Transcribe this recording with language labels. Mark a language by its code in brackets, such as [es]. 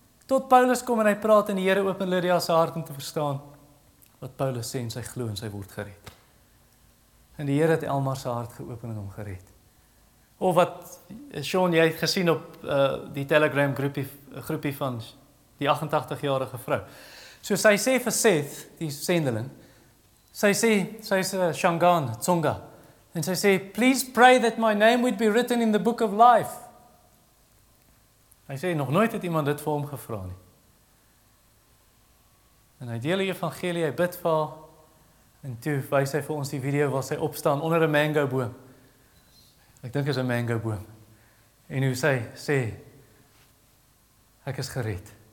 [af] Tot Paulus kom en hy praat en die Here open Lydia se hart om te verstaan wat Paulus sê en sy glo en sy word gered. En die Here het Elmar se hart geopen en hom gered. Of wat, Sean, jy het gesien op die Telegram groepie van die 88-jarige vrou. So sy sê vir Seth, die sendeling, Shangan, Tsonga, en sy sê, [en] please pray that my name would be written in the book of life. [af] Hy sê, nog nooit het iemand dit vir hom gevra nie. En hy deel die evangelie, hy bid vir haar, en toe wys hy vir ons die video waar sy opstaan onder 'n mango boom. Ek dink is 'n mango boom. En hoe sy sê, ek is gered.